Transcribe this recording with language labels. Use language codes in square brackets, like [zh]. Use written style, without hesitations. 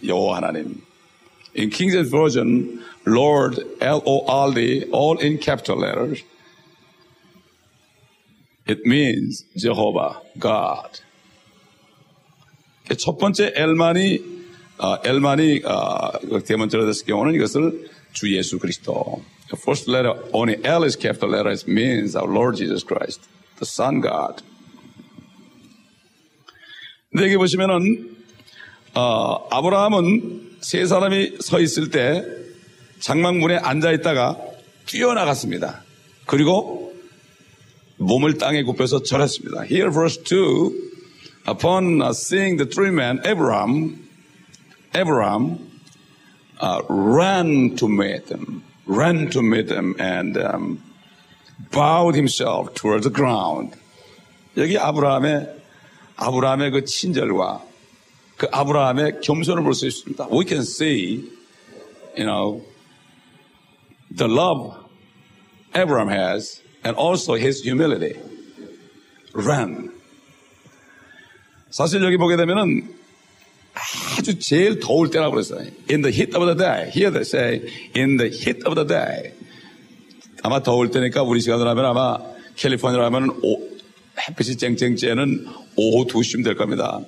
[en] 여호와 하나님. In King James Version, Lord, L-O-R-D, all in capital letters, it means Jehovah, God. [ko] 첫 번째 L만이, L만이 대문자로 됐을 경우는 이것을 주 예수 그리스도. [en] The first letter, only L is capital letter, it means our Lord Jesus Christ, the Son God. [ko] 근데 여기 보시면은 아브라함은 세 사람이 서 있을 때 장막문에 앉아 있다가 뛰어나갔습니다. 그리고 몸을 땅에 굽혀서 절했습니다. [en] Here verse 2, upon seeing the three men, Abraham ran to meet them, and bowed himself towards the ground. [ko] 여기 아브라함의 그 친절과 그 아브라함의 겸손을 볼 수 있습니다. [en] We can see, you know, the love Abraham has and also his humility. Ran. [ko] 사실 여기 보게 되면은 아주 제일 더울 때라고 그랬어요. [en] In the heat of the day. Here they say, in the heat of the day. [ko] 아마 더울 때니까 우리 시간으로 하면 아마 캘리포니아로 하면 햇빛이 쨍쨍 쬐는 오후 2시쯤 될 겁니다.